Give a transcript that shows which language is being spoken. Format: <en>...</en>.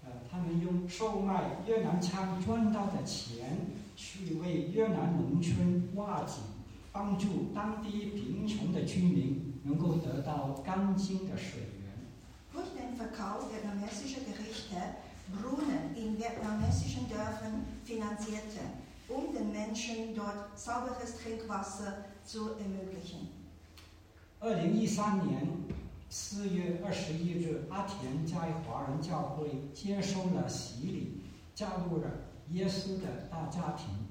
<zh>他们用售卖越南餐赚到的钱去为越南农村挖井，帮助当地贫穷的居民能够得到干净的水源。</zh> <de>Durch den Verkauf vietnamesischer Gerichte Brunnen in vietnamesischen Dörfern finanzierte, um den Menschen dort sauberes Trinkwasser zu ermöglichen.</de> <zh>2013年4月21日，阿田在华人教会接受了洗礼，加入了耶稣的大家庭。</zh>